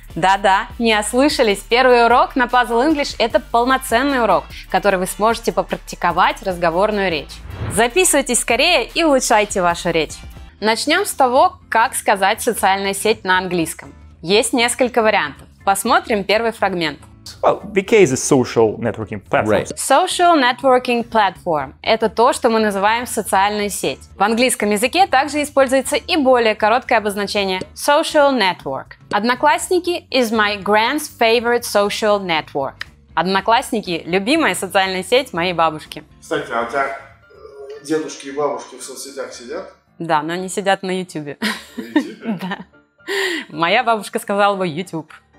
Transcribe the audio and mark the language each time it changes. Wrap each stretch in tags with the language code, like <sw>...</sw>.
<ru>Да-да, не ослышались, первый урок на Puzzle English – это полноценный урок, который вы сможете попрактиковать разговорную речь. Записывайтесь скорее и улучшайте вашу речь. Начнем с того, как сказать социальная сеть на английском. Есть несколько вариантов. Посмотрим первый фрагмент.</ru> <en>Well, VK is a social networking platform. Right. Social networking platform</en> <ru>– это то, что мы называем социальная сеть. В английском языке также используется и более короткое обозначение – social network.</ru> <en>Одноклассники – is my grand's favorite social network.</en> <ru>Одноклассники – любимая социальная сеть моей бабушки. Кстати, а у тебя дедушки и бабушки в соцсетях сидят? Да, но они сидят на YouTube. На YouTube? Да. Моя бабушка сказала бы YouTube.</ru>